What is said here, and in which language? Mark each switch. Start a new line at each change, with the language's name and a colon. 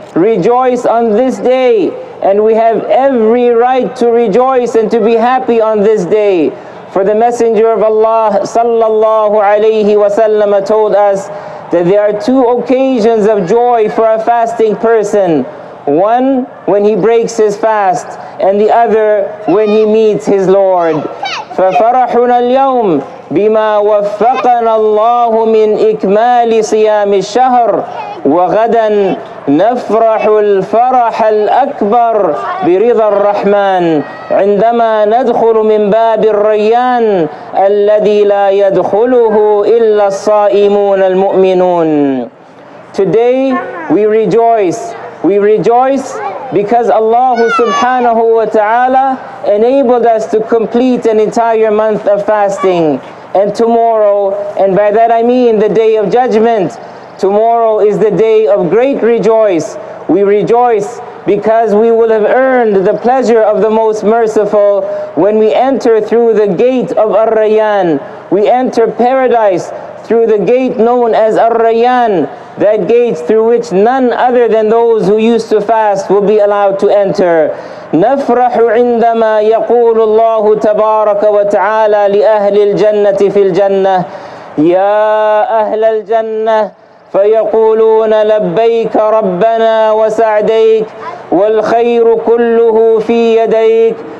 English: Rejoice on this day. And we have every right to rejoice and to be happy on this day. For the Messenger of Allah sallallahu alayhi wa sallam told us that there are two occasions of joy for a fasting person. One, when he breaks his fast, and the other, when he meets his Lord.
Arabic: فَفَرَحُنَا الْيَوْمِ بِمَا وَفَّقَنَا اللَّهُ مِنْ إِكْمَالِ صِيَامِ الشَّهْرِ وَغَدًا نَفْرَحُ الْفَرَحَ الْأَكْبَرِ بِرِضَى الرَّحْمَنِ عِنْدَمَا نَدْخُلُ مِنْ بَابِ الرَّيَّانِ الَّذِي لَا يَدْخُلُهُ إِلَّا الصَّائِمُونَ الْمُؤْمِنُونَ
English: Today, we rejoice. We rejoice because Allah subhanahu wa ta'ala enabled us to complete an entire month of fasting. and tomorrow, and by that I mean the Day of Judgment. Tomorrow is the day of great rejoice. We rejoice because we will have earned the pleasure of the Most Merciful when we enter through the gate of Ar-Rayyan. We enter paradise through the gate known as Ar-Rayyan, that gate through which none other than those who used to fast will be allowed to enter.
Arabic: نفرح عندما يقول الله تبارك وتعالى لأهل الجنة في الجنة يا أهل الجنة فيقولون لبيك ربنا وسعديك والخير كله في يديك